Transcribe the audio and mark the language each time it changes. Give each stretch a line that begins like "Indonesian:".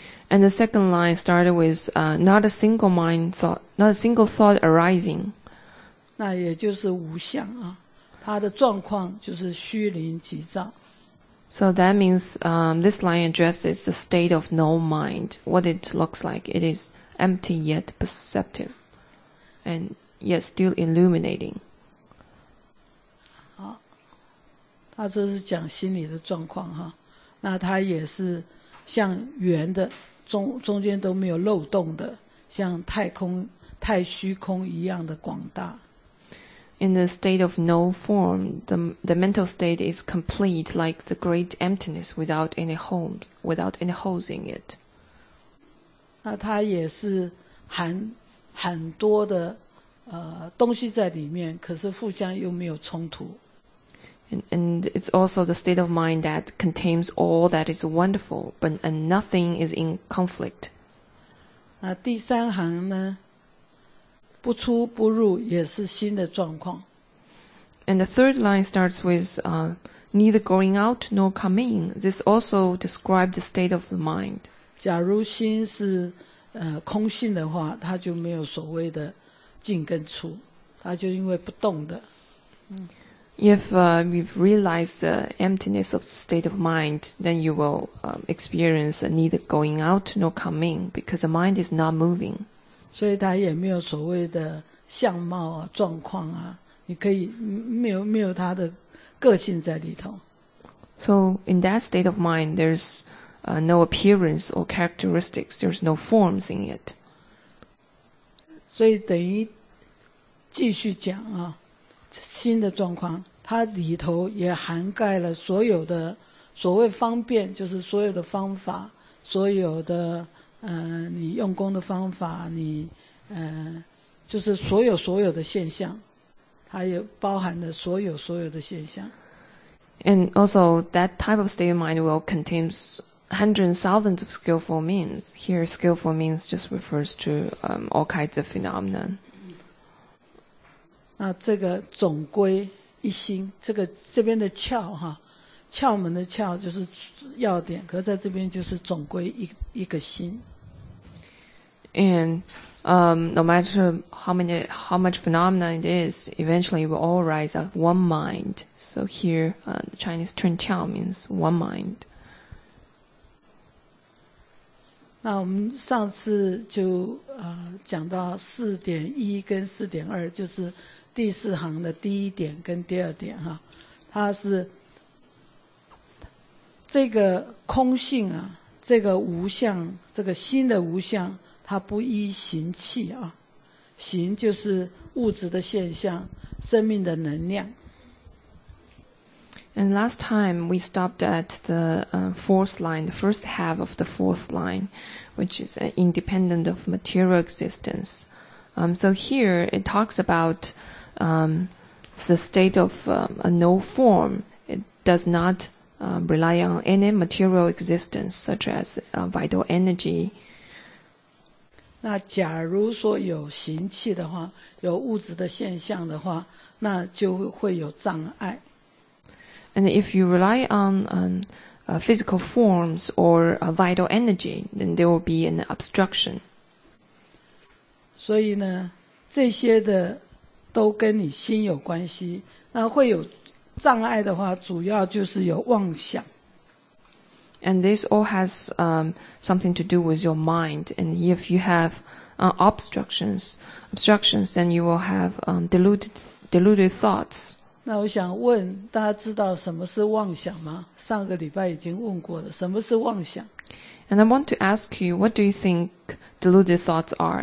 English: And the second line started with not a single mind thought, not a single thought arising.
Chinese: 那也就是无相啊，它的状况就是虚灵即照。
English: So that means this line addresses the state of no mind. What it looks like, it is empty yet perceptive, and yet still illuminating.
Chinese: 好，他这是讲心理的状况哈，那它也是像圆的。中间都没有漏洞的，像太虚空一样的广大。
English: In the state of no form, the mental state is complete like the great emptiness without any holes, without any holes in it.
Chinese: 那它也是含很多的东西在里面，可是互相又没有冲突。
English: And it's also the state of mind that contains all that is wonderful, but and nothing is in conflict.
Chinese: 那第三行呢，不出不入也是心的状况。
English: And the third line starts with neither going out nor coming. This also describes the state of the mind.
Chinese: 假如心是空性的话，它就没有所谓的进跟出，它就因为不动的。
English: If you've realized the emptiness of the state of mind, then you will experience neither going out nor coming, because the mind is not moving.
Chinese: 所以它也没有所谓的相貌啊、状况啊，你可以没有它的个性在里头。
English: So in that state of mind, there's no appearance or characteristics. There's no forms in it.
Chinese: 所以等于继续讲啊。心的状况，它里头也涵盖了所有的所谓方便，就是所有的方法，所有的你用功的方法，你就是所有的现象，它也包含了所有的现象。
English: And also that type of state of mind will contain hundreds thousands of skillful means. Here, skillful means just refers to all kinds of phenomena.
Chinese: 那这个总归一心，这个这边的窍哈。窍门的窍就是要点，可是在这边就是总归一个心。
English: And no matter how much phenomena it is, eventually it will all arise at one mind. So here, the Chinese term 窍 means one mind.
Chinese: 那我们上次就讲到4.1跟4.2，就是第四行的第一点跟第二点哈，它是。这个空性啊，这个无相，这个心的无相，它不依形气啊。形就是物质的现象，生命的能量。
English: And last time we stopped at the fourth line, the first half of the fourth line, which is independent of material existence. So here it talks about the state of a no form. It does notrely on any material existence, such as vital energy.
Chinese: 那假如说有形气的话，有物质的现象的话，那就会有障碍。
English: And if you rely on physical forms or vital energy, then there will be an obstruction.
Chinese: 所以呢，这些的都跟你心有关系，那会有。障碍的话，主要就是有妄想。
English: And this all has something to do with your mind. And if you have obstructions, then you will have deluded thoughts.
Chinese: 那我想问大家，知道什么是妄想吗？上个礼拜已经问过了，什么是妄想
English: ？And I want to ask you, what do you think deluded thoughts are?